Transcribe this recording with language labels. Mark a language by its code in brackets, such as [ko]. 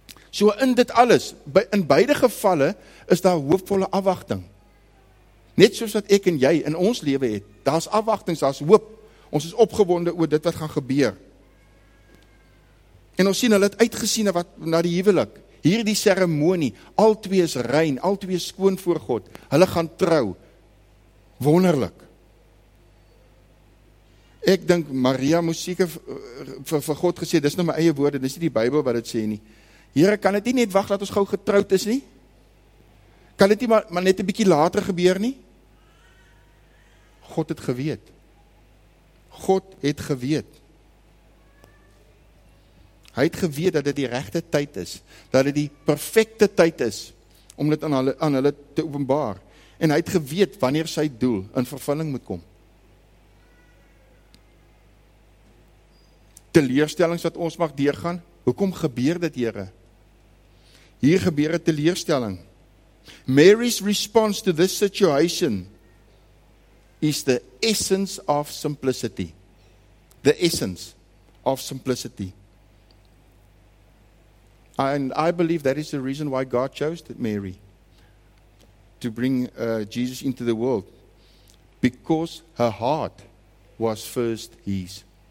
[af] So in dit alles, in beide gevalle, is daar hoopvolle afwagting. Net soos wat ek en jy in ons lewe het, daar's afwagtings, daar's hoop. Ons is opgewonde oor dit wat gaan gebeur. En ons sien hulle het uitgesien na wat na die huwelik. Hierdie seremonie, al twee is rein, al twee skoon voor God. Hulle gaan trou. Wonderlik. Ek dink Maria moes seker vir God gesê, dis nou my eie woorde, dis nie die Bybel wat dit sê nie. Here, kan dit nie net wag dat ons gou getroud is nie? Kan dit nie maar net 'n bietjie later gebeur nie? God het geweet. God het geweet. Hy het geweet dat dit die regte tyd is, dat dit die perfekte tyd is om dit aan hulle te openbaar. En hy het geweet wanneer sy doel in vervulling moet kom. Teleurstellings wat ons mag deurgaan, hoekom gebeur dit, Here? Hier gebeur 'n teleurstelling. [en] Mary's response to this situation is the essence of simplicity. The essence of simplicity. And I believe that is the reason why God chose Mary to bring Jesus into the world, because her heart was first his.